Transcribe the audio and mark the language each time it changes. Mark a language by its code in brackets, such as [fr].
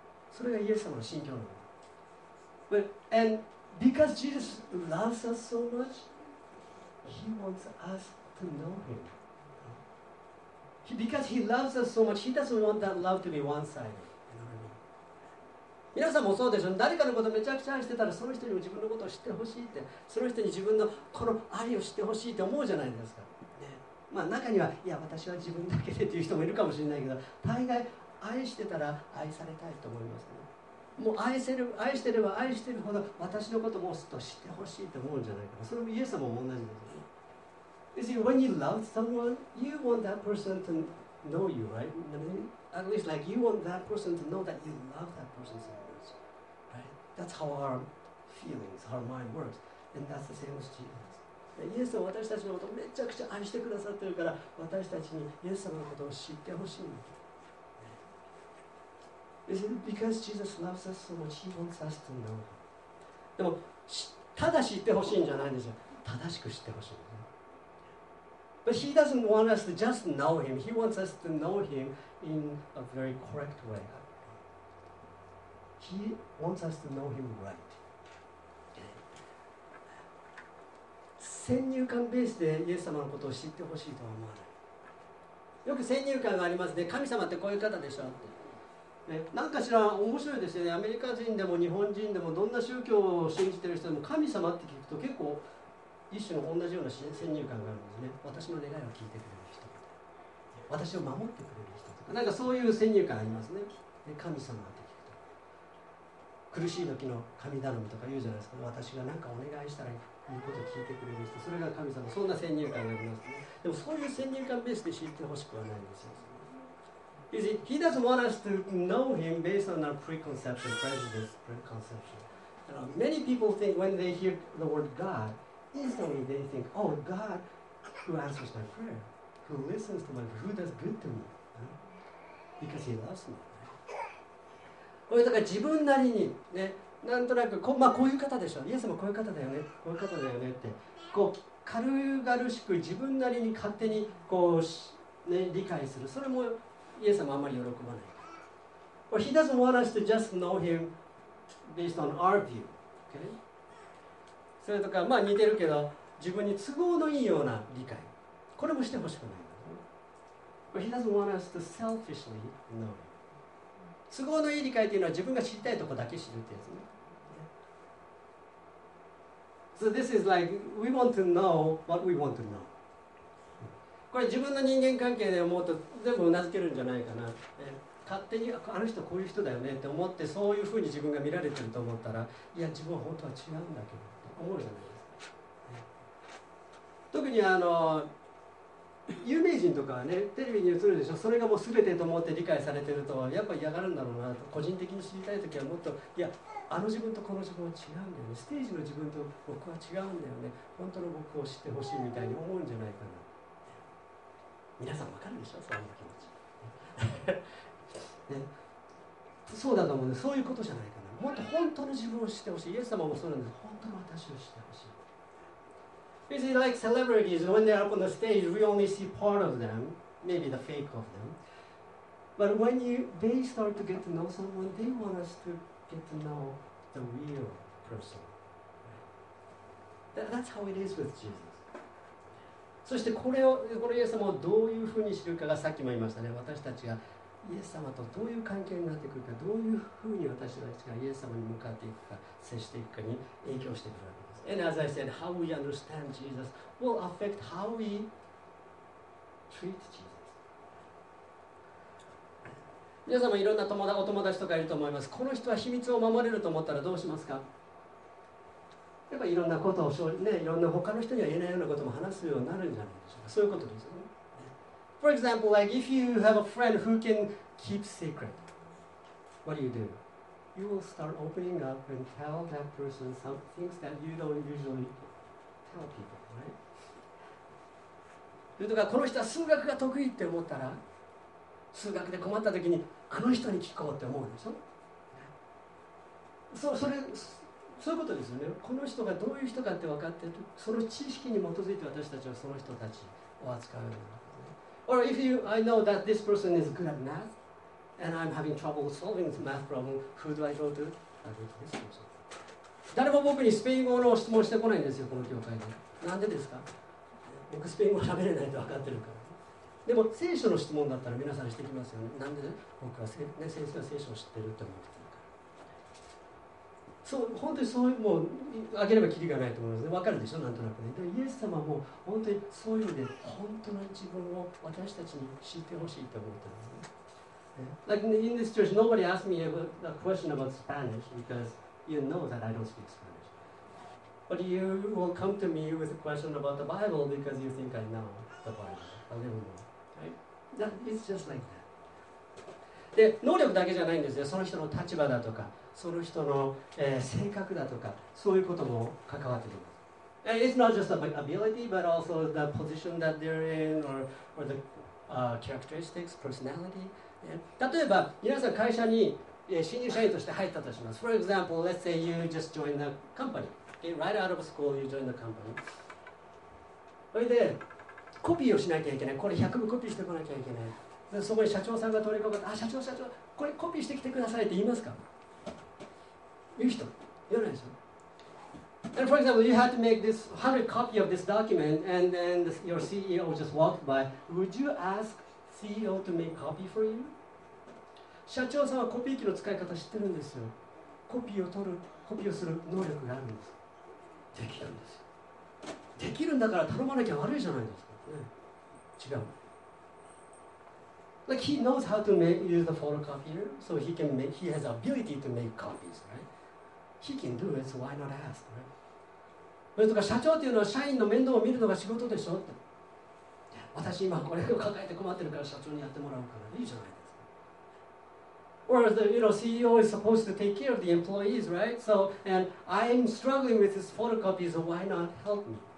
[ja] それがイエス様の心境なの。 [en] But, and because Jesus loves us so much, He wants us to know Him. He, because He loves us so much, He doesn't want that love to be one-sided. You know what I mean? [ja] 皆さんもそうでしょ。誰かのことをめちゃくちゃ愛してたら、その人にも自分のことを知ってほしいって、その人に自分のこの愛を知ってほしいって思うじゃないですか。ね、まあ中には、いや私は自分だけでっていう人もいるかもしれないけど、大概愛してたら愛されたいと思いますね。もう 愛してれば愛してるほど私のことをもっと知ってほしいと思うんじゃないかな。それもイエス様も同じですよね。 [en] You see, when you love someone, you want that person to know you, right? I mean, at least like you want that person to know that you love that person so much, right? That's how our feelings, our mind works. And that's the same with Jesus. [ja] イエス様は私たちのことをめちゃくちゃ愛してくださってるから、私たちにイエス様のことを知ってほしいんだ。 [en] Is it because Jesus loves us so much, He wants us to know Him? [ja] でも、ただ知ってほしいんじゃないんですよ。正しく知ってほしい。 [en] But He doesn't want us to just know Him. He wants us to know Him in a very correct way. He wants us to know Him right. [ja] 先入観ベースでイエス様のことを知ってほしいとは思わない。よく先入観がありますね。神様ってこういう方でしょって。なんかしら面白いですよね。アメリカ人でも日本人でもどんな宗教を信じてる人でも神様って聞くと結構一種の同じような先入観があるんですね。私の願いを聞いてくれる人、私を守ってくれる人とか、なんかそういう先入観ありますね。で、神様って聞くと苦しい時の神頼みとか言うじゃないですか。私が何かお願いしたらいいこと聞いてくれる人、それが神様、そんな先入観がありますね。でもそういう先入観ベースで知ってほしくはないんですよ。 [en] You see, he doesn't want us to know him based on our preconception, prejudice, preconception. You know, many people think when they hear the word God, instantly they think, oh, God who answers my prayer, who listens to my prayer, who does good to me, because he loves me. [ja] これだから自分なりにね、なんとなくこ、まあこういう方でしょう、イエス様こういう方だよね、こういう方だよねって、こう軽々しく自分なりに勝手にこうし、ね、理解する。それもイエス様あんまり喜ばない。 [en] Well, he doesn't want us to just know him based on our view. Okay? [ja] それとか、まあ似てるけど、自分に都合のいいような理解。これもしてほしくない。 [en] Well, he doesn't want us to selfishly know him. [ja] 都合のいい理解というのは自分が知りたいところだけ知るってやつね。 [en] So this is like we want to know what we want to know。 [ja] これ自分の人間関係で思うと全部うなずけるんじゃないかな。勝手にあの人こういう人だよねって思ってそういうふうに自分が見られてると思ったら、いや自分は本当は違うんだけどって思うじゃないですか。特にあの有名人とかはね、テレビに映るでしょ、それがもう全てと思って理解されてるとやっぱ嫌がるんだろうなと。個人的に知りたいときはもっと、いや、あの自分とこの自分は違うんだよね、ステージの自分と僕は違うんだよね、本当の僕を知ってほしいみたいに思うんじゃないかな。皆さん分かるでしょ、そういう気持ち。ね、そうだと思うね、そういうことじゃないかな。もっと本当の自分を知ってほしい。イエス様もそうなんです。本当の私を知ってほしい。 [en] You see, like celebrities, when they are up on the stage, we only see part of them, maybe the fake of them. But when you, they start to get to know someone, they want us to get to know the real person. That's how it is with Jesus. [ja] そしてこれを、このイエス様をどういうふうに知るかがさっきも言いましたね。私たちがイエス様とどういう関係になってくるか、どういうふうに私たちがイエス様に向かっていくか、接していくかに影響してくる。 [en] And as I said, how we understand Jesus will affect how we treat Jesus. [ja] 皆さんもいろんな友達、お友達とかいると思います。この人は秘密を守れると思ったらどうしますか？やっぱりいろんなことを、ね、いろんな他の人には言えないようなことも話すようになるんじゃないでしょうか。そういうことですよね。 [en] For example, like if you have a friend who can keep secret, what do you do? You will start opening up and tell that person some things that you don't usually tell people, right? [ja] とかこの人は数学が得意って思ったら、数学で困った時にこの人に聞こうって思うでしょ。そういうことですよね。この人がどういう人かって分かってる、その知識に基づいて私たちはその人たちを扱うようになる。 [en] Or if you, I know that this person is good at math. And I'm having trouble solving this math problem. Who do I go to? I go to this person. [ja] 誰も僕にスペイン語の質問してこないんですよ、この教会で。なんでですか？僕スペイン語喋れないと分かってるから。でも聖書の質問だったら皆さんしてきますよね。なんで僕は、ね、先生は聖書を知ってるって思ってるから。そう、本当にそういう、もう、あげればキリがないと思いますね。分かるでしょ、なんとなくね。でもイエス様も本当にそういう意味で、本当の自分を私たちに知ってほしいと思ってるんですね。 [en] Like in this church, nobody asked me a question about Spanish because you know that I don't speak Spanish. But you will come to me with a question about the Bible because you think I know the Bible a little more. Right? It's just like that. [ja] で、能力だけじゃないんですよ。その人の立場だとか、その人の、性格だとか、そういうことも関わってきます。 [en] And it's not just about ability, but also the position that they're in or the、characteristics, personality. [ja] 例えば皆さん会社に新入社員として入ったとします。 [en] For example, let's say you just joined a company. Okay, right out of school, you joined a company. [ja] それでコピーをしなきゃいけない。これ100部コピーしてこなきゃいけない。でそこに社長さんが取り掛かって、あ、社長、これコピーしてきてくださいって言いますか？言う人？言わないでしょ。 [en] And for example, you had to make this 100 copy of this document, and then your CEO just walked by. Would you ask? CEO to make copy for you? [ja] 社長さんはコピー機の使い方知ってるんですよ。コピーを取る、コピーをする能力があるんです。できるんですよ。できるんだから頼まなきゃ悪いじゃないですか。ね、違う。 [en] Like he knows how to make, use the photocopier, so he can make, he has ability to make copies, right? He can do it, so why not ask, right? [ja] とか社長っていうのは社員の面倒を見るのが仕事でしょって。私今これを抱えて困ってるから社長にやってもらうからいいじゃないですか。 [en] or the you know CEO is supposed to take care of the employees, right? So and I'm struggling with this photocopy, so why not help me?